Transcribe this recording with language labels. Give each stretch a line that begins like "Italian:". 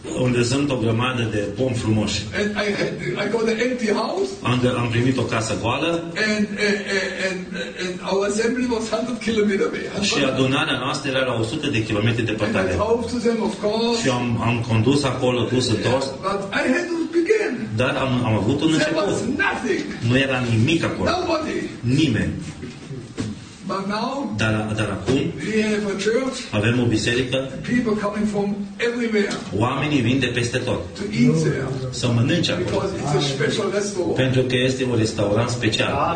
Romanian: unde sunt o grămadă de pomi frumoși.
English: And I got an empty house,
Romanian: unde am primit o casă goală,
English: and our assembly was 100 kilometers away.
Romanian: Și adunarea noastră era la 100 de kilometri departare. Și am condus acolo dus în tors.
English: But I had to begin.
Romanian: Dar am avut un început.
English: There was nothing.
Romanian: Nu era nimic acolo.
English: Nobody.
Romanian: Nimeni.
English: But now,
Romanian: Dar acum avem o biserică.
English: People coming from everywhere.
Romanian: Oamenii vin de peste tot.
English: To eat there.
Romanian: Să mănânce acolo.
English: Because it's a special restaurant.
Romanian: Pentru că este un restaurant special.